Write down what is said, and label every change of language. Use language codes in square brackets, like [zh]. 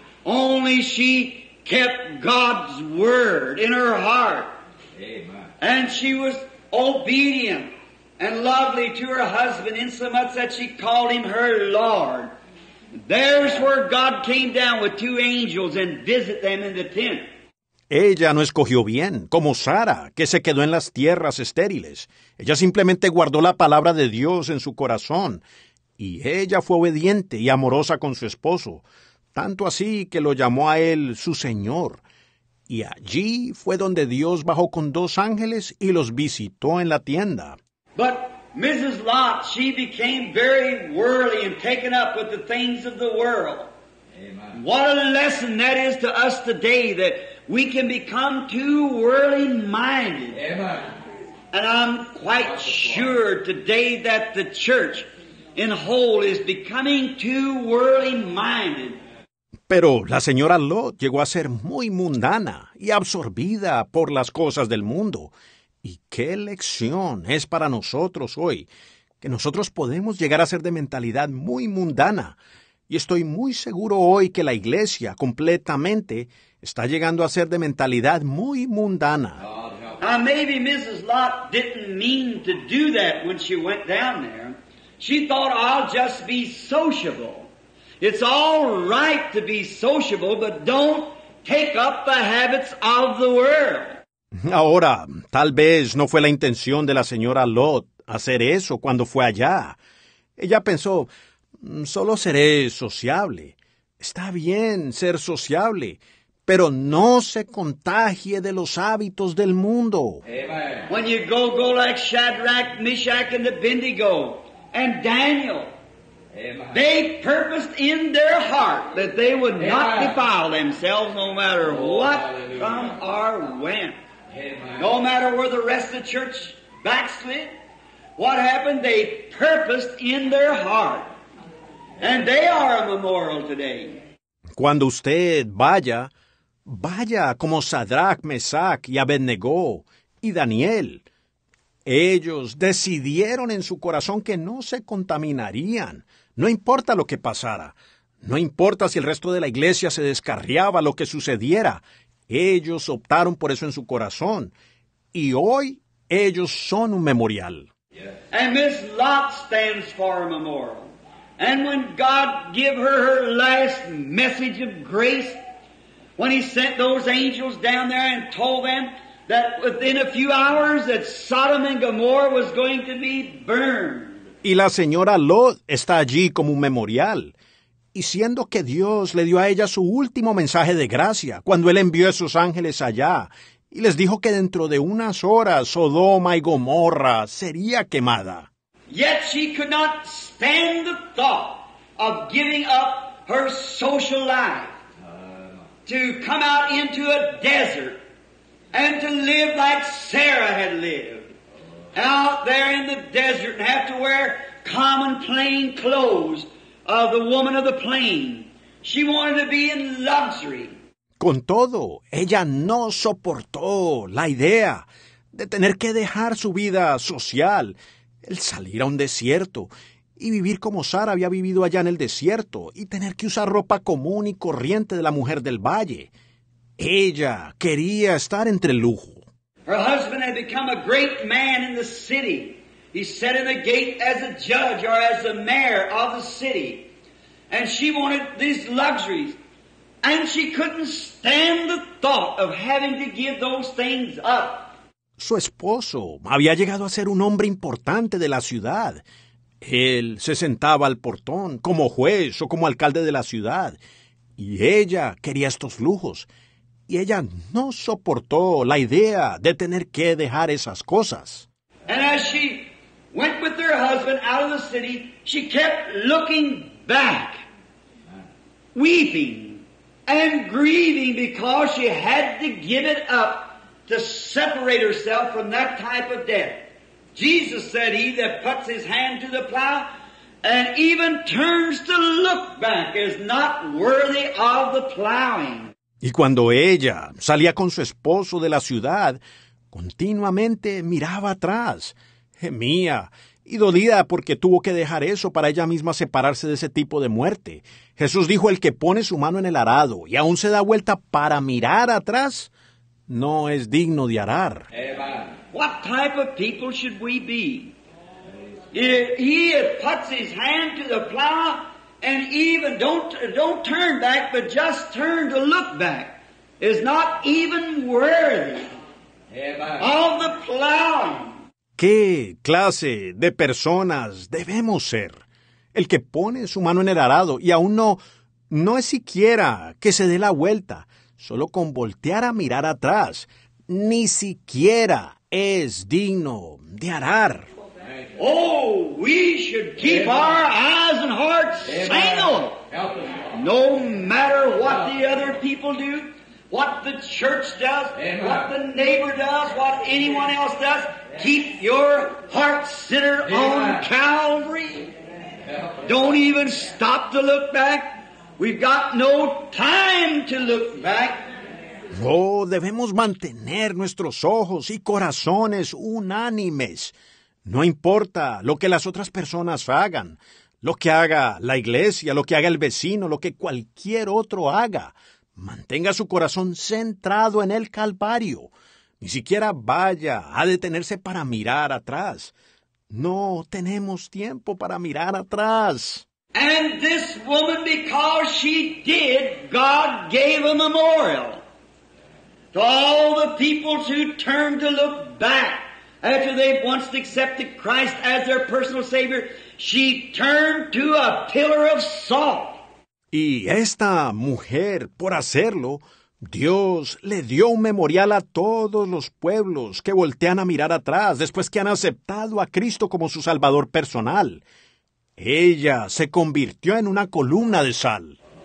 [en] Only she kept God's word in her heart. Amen. And she was obedient and lovely to her husband, insomuch that she called him her Lord. There's where God came down with 2 angels and visit them in the tent. [es] Ella no escogió bien, como Sara, que se quedó en las tierras estériles. Ella simplemente guardó la palabra de Dios en su corazón. Y ella fue obediente y amorosa con su esposo, tanto así que lo llamó a él su Señor. Y allí fue donde Dios bajó con 2 ángeles y los visitó en la tienda. [en] But Mrs. Lot, she became very worldly and taken up with the things of the world. Amen. What a lesson that is to us today, that we can become too worldly minded. Amen. And I'm quite sure today that the church and whole is becoming too worldly minded. [es] Pero la señora Lot llegó a ser muy mundana y absorbida por las cosas del mundo. ¿Y qué lección es para nosotros hoy? Que nosotros podemos llegar a ser de mentalidad muy mundana. Y estoy muy seguro hoy que la iglesia completamente está llegando a ser de mentalidad muy mundana. [en] Maybe Mrs. Lot didn't mean to do that when she went down there. She thought, I'll just be sociable. It's all right to be sociable, but don't take up the habits of the world. [es] Ahora, tal vez no fue la intención de la señora Lot hacer eso cuando fue allá. Ella pensó, solo seré sociable. Está bien ser sociable, pero no se contagie de los hábitos del mundo. [en] Amen. When you go, go like Shadrach, Meshach, and Abednego, and Daniel. Amen. They purposed in their heart that they would Amen. Not defile themselves no matter what Hallelujah. Come or when. Amen. No matter where the rest of the church backslid, what happened, they purposed in their heart. And they are a memorial today. [es] Cuando usted vaya, vaya como Sadrach, Mesach y Abednego y Daniel. Ellos decidieron en su corazón que no se contaminarían. No importa lo que pasara, no importa si el resto de la iglesia se descarriaba, lo que sucediera, ellos optaron por eso en su corazón, y hoy ellos son un memorial. [en] And Miss Lot stands for a memorial. And when God gave her her last message of grace, when he sent those angels down there and told them that within a few hours that Sodom and Gomorrah was going to be burned, [es] y la señora Lot está allí como un memorial. Y siendo que Dios le dio a ella su último mensaje de gracia, cuando él envió a esos ángeles allá, y les dijo que dentro de unas horas Sodoma y Gomorra sería quemada. [en] Yet she could not stand the thought of giving up her social life to come out into a desert and to live like Sarah had lived. Out there in the desert and have to wear common plain clothes of the woman of the plain. She wanted to be in luxury. [es] Con todo, ella no soportó la idea de tener que dejar su vida social, el salir a un desierto y vivir como Sara había vivido allá en el desierto y tener que usar ropa común y corriente de la mujer del valle. Ella quería estar entre el lujo. [en] Her husband had become a great man in the city. He sat in the gate as a judge or as a mayor of the city. And she wanted these luxuries. And she couldn't stand the thought of having to give those things up. [es] Su esposo había llegado a ser un hombre importante de la ciudad. Él se sentaba al portón como juez o como alcalde de la ciudad. Y ella quería estos lujos. Y ella no soportó la idea de tener que dejar esas cosas. [en] And as she went with her husband out of the city, she kept looking back, weeping and grieving because she had to give it up to separate herself from that type of death. Jesus said, he that puts his hand to the plow and even turns to look back is not worthy of the plowing. [es] Y cuando ella salía con su esposo de la ciudad, continuamente miraba atrás, gemía y dolida porque tuvo que dejar eso para ella misma separarse de ese tipo de muerte. Jesús dijo, el que pone su mano en el arado y aún se da vuelta para mirar atrás, no es digno de arar. [en] What type of people should we be? If he puts his hand to the plow, and even don't turn back, but just turn to look back, is not even worthy of the plow. [es] ¿Qué clase de personas debemos ser? El que pone su mano en el arado y aún no es siquiera que se dé la vuelta, solo con voltear a mirar atrás, ni siquiera es digno de arar. [en] Oh, we should keep Amen. Our eyes and hearts single. No matter what the other people do, what the church does, Amen. What the neighbor does, what anyone else does, keep your heart centered Amen. On Calvary. Amen. Don't even stop to look back. We've got no time to look back. [es] Oh, debemos mantener nuestros ojos y corazones unánimes. No importa lo que las otras personas hagan, lo que haga la iglesia, lo que haga el vecino, lo que cualquier otro haga. Mantenga su corazón centrado en el Calvario. Ni siquiera vaya a detenerse para mirar atrás. No tenemos tiempo para mirar atrás. [en] And this woman, because she did, God gave a memorial to all the people who turned to look back after they once accepted Christ as their personal Savior. She turned to a pillar of salt. [es] Y esta mujer, por hacerlo, Dios le dio un memorial a todos los pueblos que voltean a mirar atrás después que han aceptado a Cristo como su Salvador personal. Ella se convirtió en una columna de sal.